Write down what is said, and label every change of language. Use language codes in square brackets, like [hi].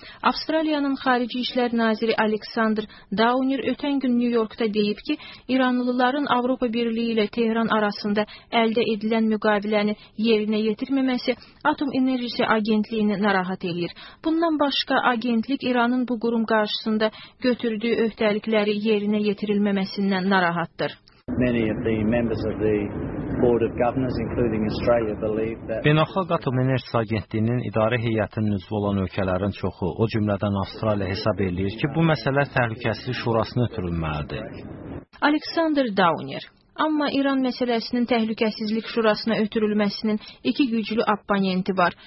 [az] Avstraliyanın Xarici İşlər Naziri Aleksandr Daunir ötən gün New Yorkda deyib ki, İranlıların Avropa Birliyi ilə Tehran arasında əldə edilən müqaviləni yerinə yetirməməsi Atom Enerjisi Agentliyini narahat edir. Bundan başqa agentlik İranın bu qurum qarşısında götürdüyü öhdəlikləri yerinə yetirilməsi. [en] Many of the members of the Board of Governors, including Australia, believe that. [az] Beynəlxalq Atom Enerjisi Agentliyinin idarə heyətinin üzvü olan ölkələrin çoxu, o cümlədən Avstraliya hesab edir ki, bu məsələ Təhlükəsizlik Şurasına ötürülməlidir. Aleksandr Daunir. Amma İran məsələsinin Təhlükəsizlik Şurasına ötürülməsinin iki güclü abonenti var.